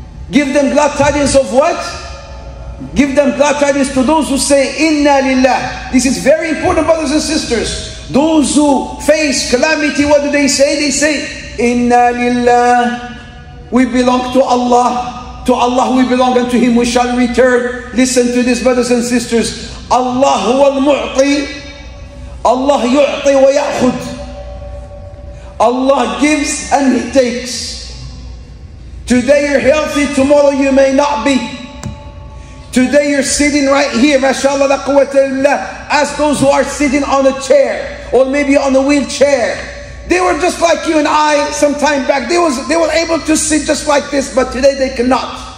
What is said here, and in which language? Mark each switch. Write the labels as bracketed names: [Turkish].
[English] Give them glad tidings of what? Give them glad tidings to those who say, Inna lillah. This is very important, brothers and sisters. Those who face calamity, what do they say? They say, Inna lillah. We belong to Allah. To Allah we belong and to Him we shall return. Listen to this, brothers and sisters. [Arabic] Allah هو المعطي. Allah يعطي ويأخذ. [English] Allah gives and He takes. Today you're healthy, tomorrow you may not be. Today you're sitting right here, mashallah, la quwwata illa, as those who are sitting on a chair, or maybe on a wheelchair. They were just like you and I some time back. They were able to sit just like this, but today they cannot.